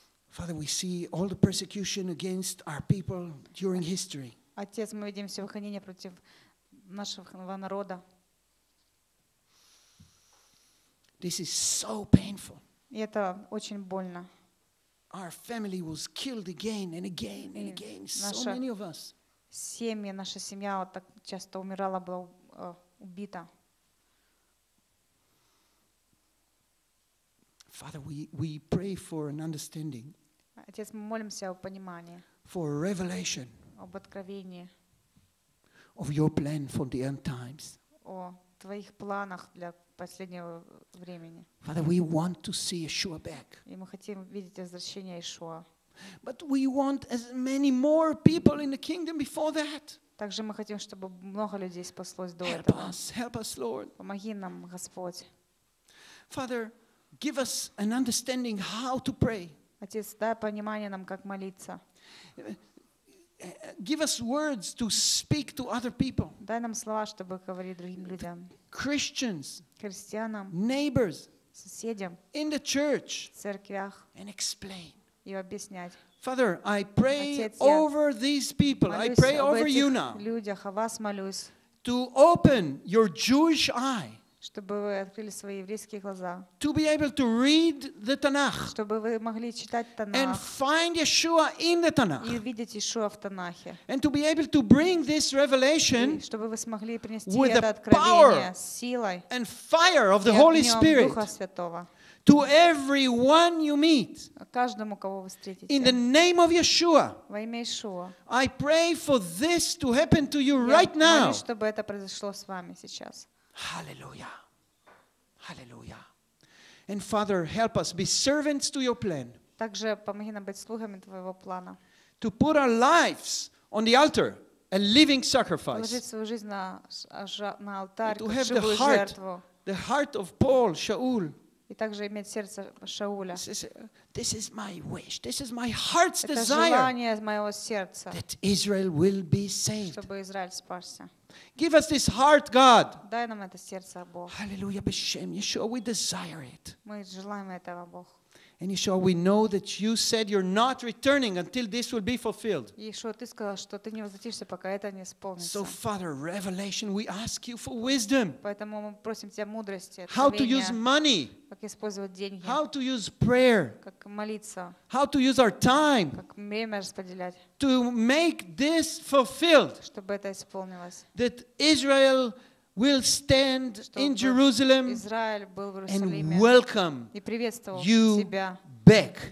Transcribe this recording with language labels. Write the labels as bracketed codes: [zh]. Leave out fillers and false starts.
[en] Father, we see all the persecution against our people during history. [ru] Отец, мы видим все выхождение против нашего народа. [en] This is so painful. [ru] И это очень больно. [en] Our family was killed again and again and again. So many of us. [ru] Наша семья вот так часто умирала, была убита. [en] Father, we pray for an understanding. [ru] Отец, мы молимся о понимании. [en] For revelation. [ru] Об откровении. [en] Of your plan for the end times. [ru] О твоих планах для последнего времени. [en] Father, we want to see Yeshua back. [ru] И мы хотим видеть возвращение Иешуа. [en] But we want as many more people in the kingdom before that. [ru] Также мы хотим, чтобы много людей спаслось до этого. [en] Help us, help us, Lord. [ru] Помоги нам, Господь. [en] Father, give us an understanding how to pray. [ru] Отец, дай понимание нам, как молиться. [en] Give us words to speak to other people. [ru] Дай нам слова, чтобы говорить другим людям. [en] Christians. [ru] Христианам. [en] Neighbors. [ru] Соседям. [en] In the church. [ru] В церквях. [en] And explain. [ru] И объяснять. [en] Father, I pray over these people. I pray over you now. [ru] Людях, о вас молюсь. [en] To open your Jewish eye. [ru] Чтобы вы открыли свои еврейские глаза. [en] To be able to read the Tanakh. [ru] Чтобы вы могли читать Танах. [en] And find Yeshua in the Tanakh. [ru] И видеть Иешуа в Танахе. [en] And to be able to bring this revelation. [ru] И чтобы вы смогли принести это откровение с силой. [en] And fire of the Holy Spirit. [ru] Духа Святого. [en] To everyone you meet. [ru] Каждому, кого вы встретите. [en] In the name of Yeshua. [ru] Во имя Иешуа. [en] I pray for this to happen to you right now. [ru] Молюсь, чтобы это произошло с вами сейчас. [en] Hallelujah. Hallelujah. And Father, help us be servants to your plan. [ru] Также помоги нам быть слугами твоего плана. [en] To put our lives on the altar, a living sacrifice. [ru] Положить свою жизнь на алтарь, [en] to have the heart of Paul, Shaul. [ru] И также иметь сердце Шауля. [en] This is my wish. This is my heart's desire. [ru] Это желание моего сердца. [en] That Israel will be saved. [ru] Чтобы Израиль спасся. [en] Give us this heart, God. [ru] Дай нам это сердце, Бог. [en] Hallelujah, Beshem Yeshua, we desire it. [ru] Мы желаем этого, Бог. [en] And Yeshua, we know that you said you're not returning until this will be fulfilled. [ru] Yeshua, ты сказал, что ты не возвратишься, пока это не исполнится. [en] So, Father, revelation, we ask you for wisdom. [ru] Поэтому мы просим тебя мудрости. [en] How to use money? [ru] Как использовать деньги? [en] How to use prayer? [ru] Как молиться? [en] How to use our time? [ru] Как время распределять? [en] To make this fulfilled. [ru] Чтобы это исполнилось. [en] That Israel will stand in Jerusalem and welcome you back.